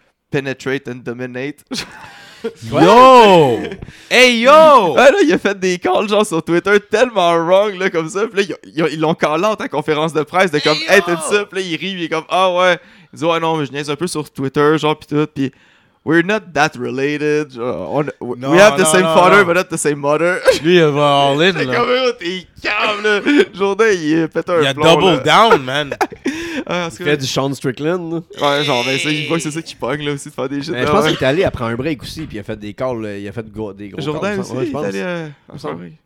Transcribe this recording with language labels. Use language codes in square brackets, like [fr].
[en] Penetrate and dominate. Yo! Hey yo! [fr] Ouais, là, il a fait des calls genre sur Twitter tellement wrong là, comme ça. Puis là, ils l'ont callé en ta conférence de presse de comme, hey, t'es ça. Puis là, il rit, il est comme, ah oh, ouais. Il dit, ouais, non, mais je niaise un peu sur Twitter, genre, pis tout. [en] Pis, we're not that related. We have the same father, but not the same mother. [fr] Lui, il va [en] all in. [fr] T'es comme, oh, t'es calme, là. Jourdain, il pète un. Il a [en] double down, [fr] man. Ah, il fait du Sean Strickland. Là. Ouais, genre, mais ça, il voit que c'est ça qui pogne là aussi de faire des shit. Mais je pense qu'il est allé après un break aussi, puis il a fait des calls, il a fait des gros Jourdain calls. Jourdain aussi, ouais,